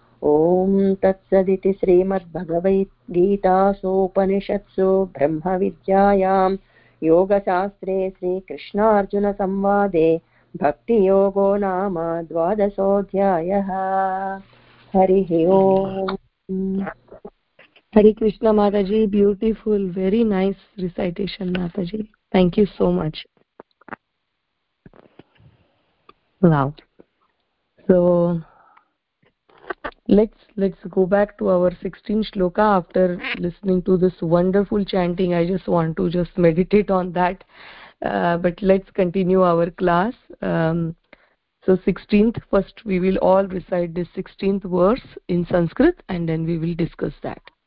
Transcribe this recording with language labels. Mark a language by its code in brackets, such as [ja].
[sa] ॐ तत्सदिति श्रीमद्भगवद्गीतासोपनिषत्सु ब्रह्मविद्यायां योगशास्त्रे श्रीकृष्णार्जुनसंवादे भक्तियोगो नाम द्वादशोऽध्यायः हरिः ओम् [en] Hare Krishna Mataji beautiful very nice recitation Mataji thank you so much Wow. So, let's go back to our 16th shloka after listening to this wonderful chanting. I just want to just meditate on that. But let's continue our class. So, 16th, first we will all recite this 16th verse in Sanskrit and then we will discuss that.